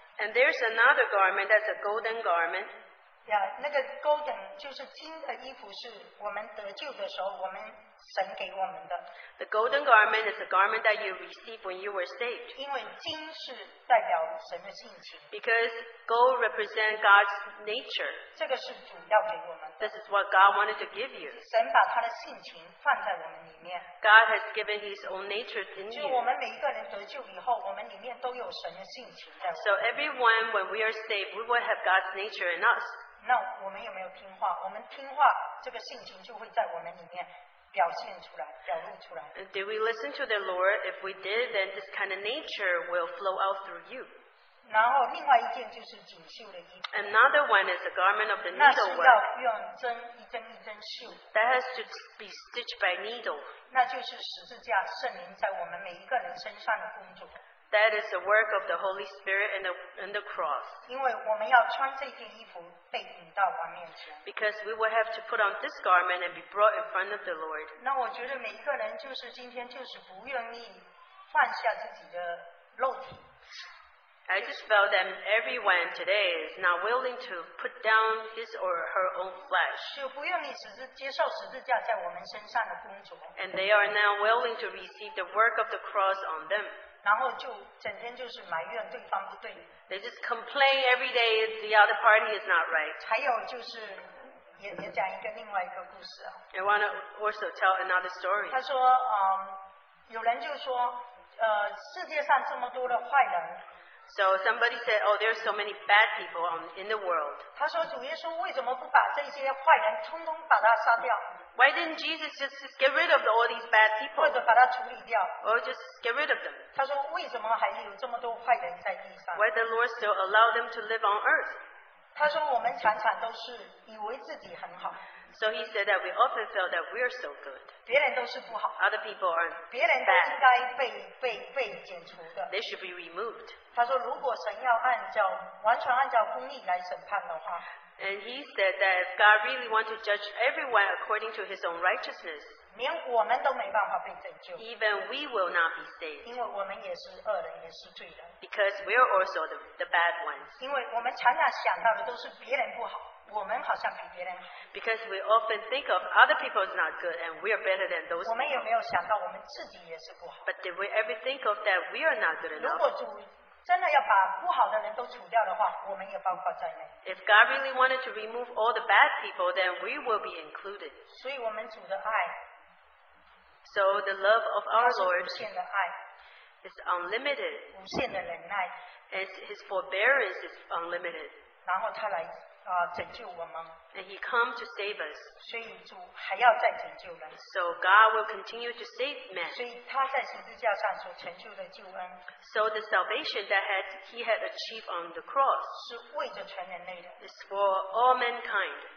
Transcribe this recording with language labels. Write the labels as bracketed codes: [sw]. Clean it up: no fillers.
[en] And there's another garment that's a golden garment. [zh] Yeah, 那个 golden 就是金的衣服是我们得救的时候我们神给我们的。 [en] The golden garment is a garment that you received when you were saved. [zh] 因为金是代表神的性情。 [en] Because gold represents God's nature. [zh] 这个是主要给我们的。 [en] This is what God wanted to give you. [zh] 神把他的性情放在我们里面。 [en] God has given his own nature in you. [zh] 就我们每一个人得救以后我们里面都有神的性情。 [en] So everyone, when we are saved, we will have God's nature in us. [zh] 那我们有没有听话？我们听话，这个性情就会在我们里面。表现出来，表露出来。 [en] Did we listen to the Lord? If we did, then this kind of nature will flow out through you. [zh] 然后另外一件就是锦绣的衣服。 [en] Another one is a garment of the needlework. [zh] 那是要用针一针一针绣。 [en] That has to be stitched by needle. [zh] 那就是十字架圣灵在我们每一个人身上的工作。 [en] That is the work of the Holy Spirit and the cross. Because we will have to put on this garment and be brought in front of the Lord. And I just felt that everyone today is not willing to put down his or her own flesh. And they are now willing to receive the work of the cross on them. They just complain every day the other party is not right. I want to also tell another story. [zh] 他说, 有人就说, 世界上这么多的坏人, [en] so somebody said, oh, there are so many bad people in the world. [zh] 他说, 主耶稣为什么不把这些坏人通通把他杀掉? [en] Why didn't Jesus just get rid of all these bad people? [zh] 或者把他处理掉? [en] Or just get rid of them? [zh] 他说, [en] why the Lord still allow them to live on earth? [zh] 他说我们常常都是以为自己很好, [en] so he said that we often felt that we are so good. [zh] 别人都是不好, [en] other people are bad. They should be removed. 他说如果神要按照完全按照公义来审判的话, and he said that if God really wants to judge everyone according to his own righteousness, even we will not be saved. Because we are also the bad ones. Because we often think of other people as not good and we are better than those people. But did we ever think of that we are not good enough? [zh] 真的要把不好的人都除掉的话，我们也包括在内。 [en] If God really wanted to remove all the bad people, then we will be included. [zh] 所以我们主的爱, [en] so the love of our Lord is unlimited. [zh] 无限的忍耐, [en] and his forbearance is unlimited. [zh] 然后他来, 拯救我们, [en] and he come to save us. [zh] 所以主还要再拯救人, [en] so God will continue to save men. [zh] 所以他在十字架上所成就的救恩, [en] so the salvation that he had achieved on the cross is for all mankind.